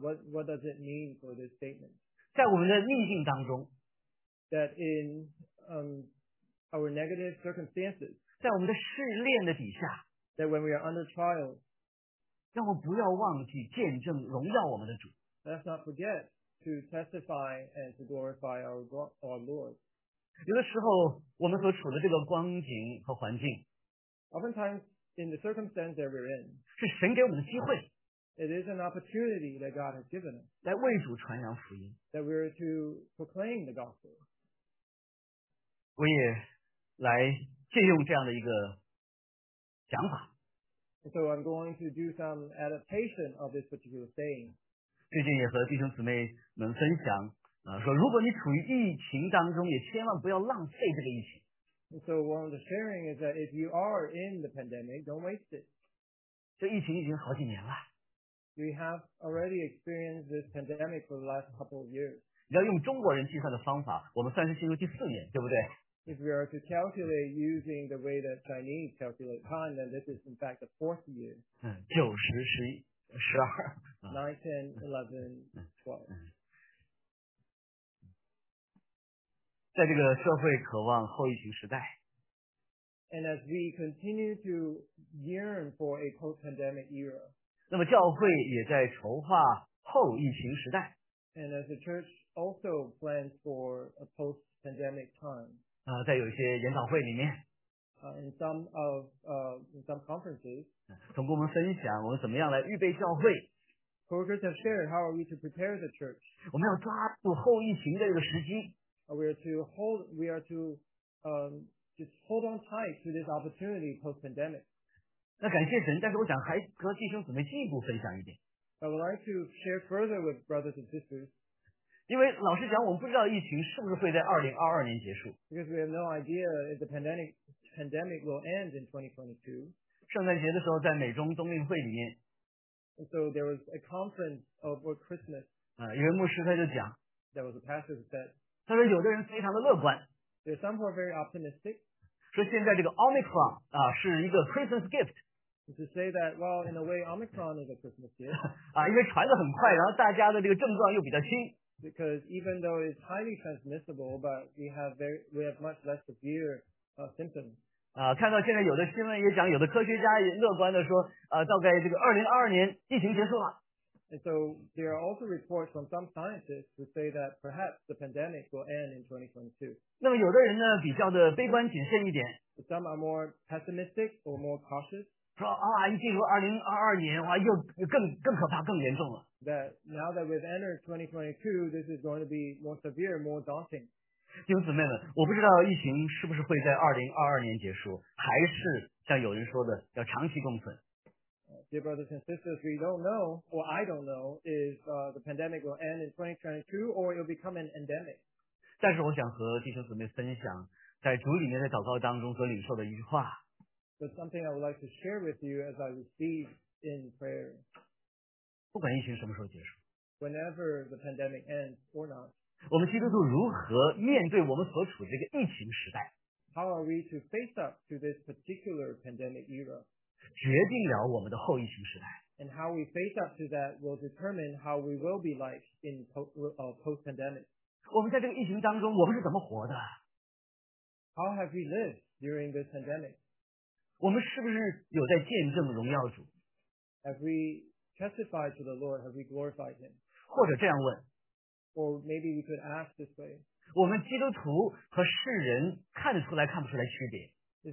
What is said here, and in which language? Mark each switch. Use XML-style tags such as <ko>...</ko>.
<en>What does it mean for this statement?</en> <zh>在我们的逆境当中</zh> <en>，that in our negative circumstances，</en> <zh>在我们的试炼的底下</zh> <en>，that when we are under trial，</en> <zh>让我不要忘记见证荣耀我们的主。</zh> <en>Let's not forget to testify and to glorify our Lord.</en> <zh>有的时候，我们所处的这个光景和环境</zh> <en>，oftentimes in the circumstance that we're in，</en> <zh>是神给我们的机会。</zh> <en>It is an opportunity that God has given us.</en> <zh>来为主传扬福音。</zh> <en>That we are to proclaim the gospel.</en> <zh>我也来借用这样的一个想法。</zh> <en>So I'm going to do some adaptation of this particular saying.</en> <zh>最近也和弟兄姊妹们分享，说如果你处于疫情当中，也千万不要浪费这个疫情。</zh> <en>So one of the sharing is that if you are in the pandemic, don't waste it.</en> <zh>这疫情已经好几年了。</zh> <en>We have already experienced this pandemic for the last couple of years.</en> <zh>要用中国人计算的方法，我们算是进入第四年，对不对？</zh> <en>If we are to calculate using the way that Chinese calculate time, then this is in fact the fourth year.</en> <zh>九十十一十二。</zh> <en>Nine, ten, eleven, twelve.</en> <zh>在这个社会渴望后疫情时代。</zh> <en>And as we continue to yearn for a post-pandemic era.</en> <zh>那么教会也在筹划后疫情时代。</zh> <en>And as the church also plans for a post-pandemic time.</en> <zh>在有一些研讨会里面。</zh> <en>In some conferences.</en> <zh>通过我们分享，我们怎么样来预备教会。</zh> <en>Workers have shared how are we to prepare the church.</en> <zh>我们要抓住后疫情的这个时机。</zh> <en>We are to just hold on tight to this opportunity post-pandemic.</en> <zh>那感谢神，但是我想还和弟兄姊妹进一步分享一点。</zh> <en>I would like to share further with brothers and sisters.</en> <zh>因为老实讲，我们不知道疫情是不是会在2022年结束。</zh> <en>Because we have no idea if the pandemic will end in 2022.</en> <zh>圣诞节的时候，在美中冬令会里面。</zh> <en>So there was a conference over Christmas.</en> <zh>一位牧师他就讲。</zh> <en>There was a pastor who said.</en> <zh>他说有的人非常的乐观。</zh> <en>There are some who are very optimistic.</en> <zh>说现在这个 Omicron 啊是一个</zh> <en>Christmas gift. To say that, well, in a way, Omicron is a Christmas gift.</en> <zh>啊，因为传得很快，然后大家的这个症状又比较轻。</zh> <en>Because even though it's highly transmissible, but we have much less severe symptoms.</en> <zh>啊，看到现在有的新闻也讲，有的科学家也乐观的说，大概这个2022年疫情结束了。</zh> <en>And so there are also reports from some scientists who say that perhaps the pandemic will end in 2022.</en> <zh>那么有的人呢比较的悲观谨慎一点。</zh> <en>Some are more pessimistic or more cautious.</en> <zh>说啊，一进入2022年，哇，又更可怕，更严重了。</zh> <en>That now that we've entered 2022, this is going to be more severe, more daunting.</en> <zh>弟兄姊妹们，我不知道疫情是不是会在2022年结束，还是像有人说的要长期共存。</zh> <en>Dear brothers and sisters, we don't know, or I don't know, if the pandemic will end in 2022 or it will become an endemic.</en> <zh>但是我想和弟兄姊妹分享在主里面的祷告当中所领受的一句话。</zh> <en>But something I would like to share with you as I receive in prayer.</en> <zh>不管疫情什么时候结束。</zh> <en>Whenever the pandemic ends or not.</en> <zh>我们基督徒如何面对我们所处的这个疫情时代。</zh> <en>How are we to face up to this particular pandemic era?</en> <zh>决定了我们的后疫情时代。</zh> <en>And how we face up to that will determine how we will be like in post-pandemic.</en> <zh>我们在这个疫情当中，我们是怎么活的？</zh> <en>How have we lived during this pandemic?</en> <zh>我们是不是有在见证荣耀主？</zh> <en>Have we testified to the Lord? Have we glorified Him?</en> <zh>或者这样问。</zh> <en>Or maybe we could ask this way.</en> <zh>我们基督徒和世人看得出来，看不出来区别。</zh>